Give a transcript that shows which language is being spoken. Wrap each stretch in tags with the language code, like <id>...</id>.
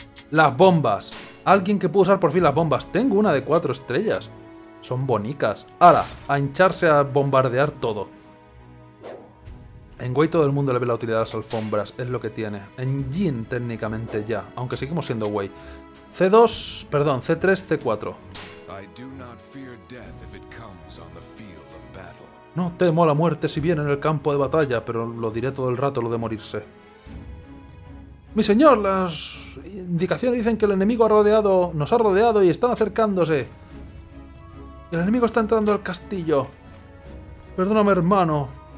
<es>¡Las bombas! Alguien que pueda usar por fin las bombas. Tengo una de 4 estrellas. Son bonicas. ¡Hala! A hincharse a bombardear todo. En Wei todo el mundo le ve la utilidad a las alfombras. Es lo que tiene. En Jin técnicamente ya. Aunque seguimos siendo Wei. C2... Perdón, C3, C4.</es> <en>I do not fear death if it comes on the field of battle.</en> <es>No temo a la muerte si viene en el campo de batalla, pero lo diré todo el rato lo de morirse. Mi señor, las indicaciones dicen que el enemigo ha rodeado, nos ha rodeado y están acercándose. El enemigo está entrando al castillo. Perdóname, hermano.</es>